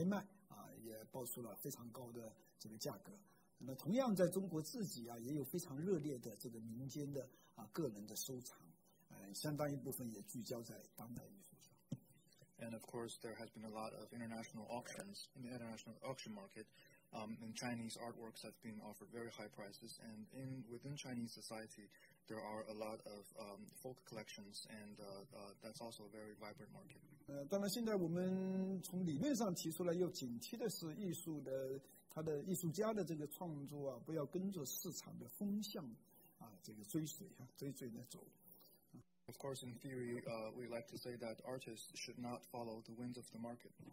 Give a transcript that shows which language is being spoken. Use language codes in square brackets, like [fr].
[zh] 当然，像国际的拍卖市场为例吧，他们经常举办很多中国的这个艺术的拍卖，啊，也爆出了非常高的。这个价格，那同样在中国自己啊，也有非常热烈的这个民间的啊个人的收藏，相当一部分也聚焦在当代艺术上。And [en] of course, there has been a lot of international auctions in the international auction market. And Chinese artworks have been offered very high prices. And in within Chinese society, there are a lot of folk collections, and that's also a very vibrant market. [zh] 当然，现在我们从理论上提出来，要警惕的是艺术的。他的艺术家的这个创作啊，不要跟着市场的风向啊，这个追随啊，追随着走。Of [en] course, in theory, we like to say that artists should not follow the winds of the market.